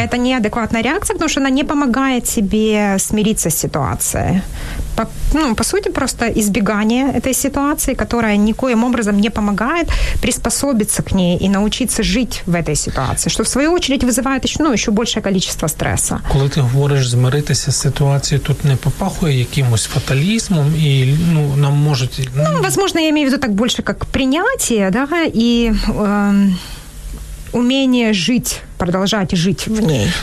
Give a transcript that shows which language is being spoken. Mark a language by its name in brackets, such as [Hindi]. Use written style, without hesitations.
[Russian] Это неадекватная реакция, потому что она не помогает тебе смириться с ситуацией. по сути, просто избегание этой ситуации, которая никоим образом не помогает приспособиться к ней и научиться жить в этой ситуации, что, в свою очередь, вызывает еще большее количество стресса. [Ukrainian] Коли ти говориш змиритися з ситуацією, тут не попахує якимось фаталізмом і, нам можуть... [Russian] Возможно, я имею в виду так больше, как принятие, да, и... Умение жить, продолжать жить в ней.